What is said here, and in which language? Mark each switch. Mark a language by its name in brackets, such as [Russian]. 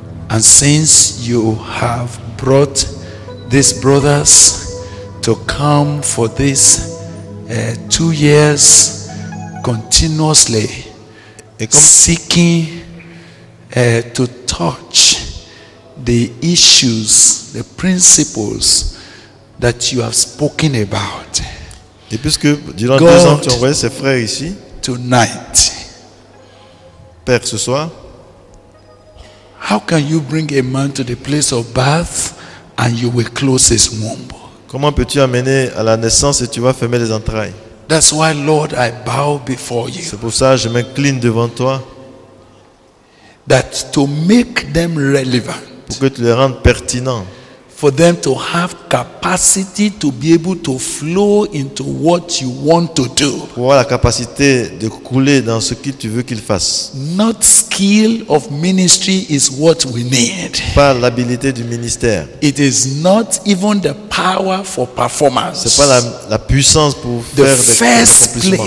[English] And since you have brought these brothers to come for this 2 years continuously seeking to touch the issues, the principles that you have spoken about. [French] Et puisque durant 2 ans tu as envoyé ces frères ici, [English] tonight, [French] Père, ce soir, [English] How can you bring a man to the place of birth and you will close his womb? [French] Comment peux-tu amener à la naissance et tu vas fermer les entrailles? [English] That's why, Lord, I bow before you. [French] C'est pour ça que je m'incline devant toi. [English] That to make them relevant. [French] Pour que tu les rendes pertinents. [English] For them to have capacity to be able to flow into what you want to do. [French] Pour avoir la capacité de couler dans ce que tu veux qu'ils fassent. [English] Not skill of ministry is what we need. [French] Pas l'habilité du ministère. [English] It is not even the power for performance. [French] C'est pas la puissance pour faire des accomplissements.